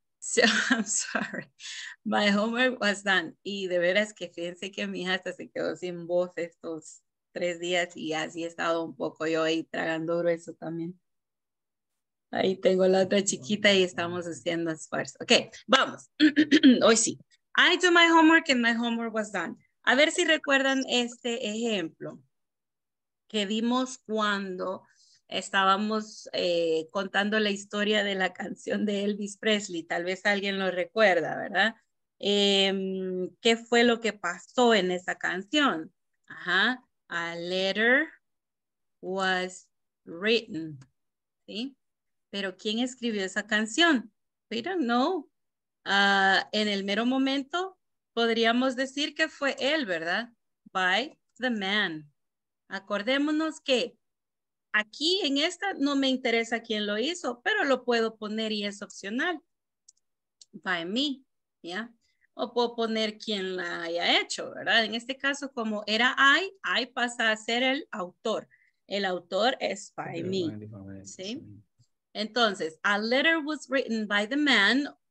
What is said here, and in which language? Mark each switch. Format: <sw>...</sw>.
<en>So, I'm sorry. My homework was done.</en> <es>Y de veras que fíjense que mi hija hasta se quedó sin voz estos 3 días y así he estado un poco yo ahí tragando grueso también. Ahí tengo la otra chiquita y estamos haciendo esfuerzo. Ok, vamos. Hoy sí.</es> <en>I do my homework and my homework was done.</en> <es>A ver si recuerdan este ejemplo que dimos cuando estábamos contando la historia de la canción de Elvis Presley. Tal vez alguien lo recuerda, ¿verdad? ¿Qué fue lo que pasó en esa canción? Ajá.</es> <en>A letter was written,</en> <es>¿sí? Pero ¿quién escribió esa canción?</es> <en>We don't know.</en> <es>En el mero momento, podríamos decir que fue él, ¿verdad?</es> <en>By the man.</en> <es>Acordémonos que aquí en esta no me interesa quién lo hizo, pero lo puedo poner y es opcional.</es> <en>By me,</en> <es>¿ya? o puedo poner quien la haya hecho, ¿verdad? En este caso, como era I pasa a ser el autor. El autor es by me, ¿sí? Entonces,</es> <en>a letter was written by the man.</en>